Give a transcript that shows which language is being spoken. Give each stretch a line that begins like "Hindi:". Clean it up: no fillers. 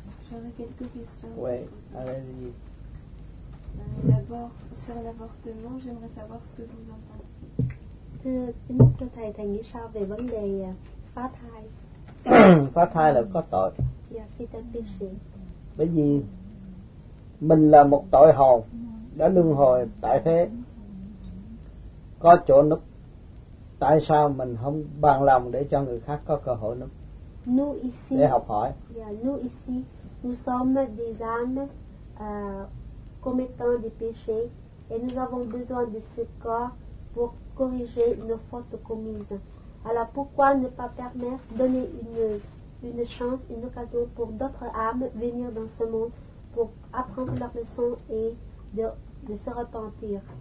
French: J'aurais quelques questions. Oui, allez-y. D'abord, sur l'avortement, j'aimerais savoir ce que vous en pensez.
Vietnamese: Thưa mục sư thầy, thầy nghĩ sao về vấn đề phá thai? Phá thai là có tội.
French: Yeah, c'est un péché.
Vietnamese: Bởi vì mình là một tội hồn đã luân hồi tại thế, có chỗ núp. Tại sao mình không bằng lòng để cho người khác có cơ hội núp để học hỏi?
French: Yeah, nous ici, nous sommes des âmes commettant des péchés et nous avons besoin de ce corps pour corriger nos fautes commises. Alors pourquoi ne pas permettre, donner une chance, une occasion pour d'autres âmes venir dans ce monde pour apprendre leur leçon et de se repentir.